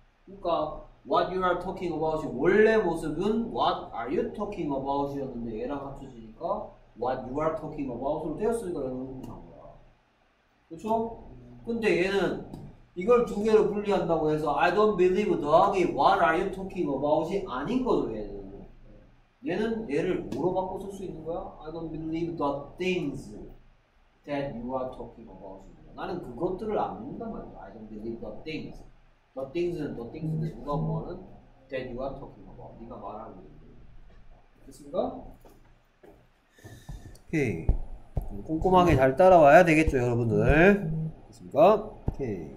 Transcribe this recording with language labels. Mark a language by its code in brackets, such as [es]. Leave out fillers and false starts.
[ko] 그니까 [en] What you are talking about [ko] 원래 모습은 [en] What are you talking about [ko] 이었는데 얘랑 합쳐지니까 What you are talking about 으로 되었으니까 얘는 궁금한 거야. 그쵸? 근데 얘는 이걸 두 개로 분리한다고 해서 [en] I don't believe [ko] 더하기 [en] What are you talking about [ko] 이 아닌 거죠. 얘는 얘를 뭐로 바꿔 쓸 수 있는 거야? [en] I don't believe the things that you are talking about. [ko] 나는 그것들을 안 믿는단 말이야. [en] I don't believe the things. The things는 the things인데 [ko] 누가 뭐하는? [en] That you are talking about. [ko] 네가 말하는 거. 됐습니까? 오케이. 꼼꼼하게 잘 따라와야 되겠죠, 여러분들. 됐습니까? 오케이.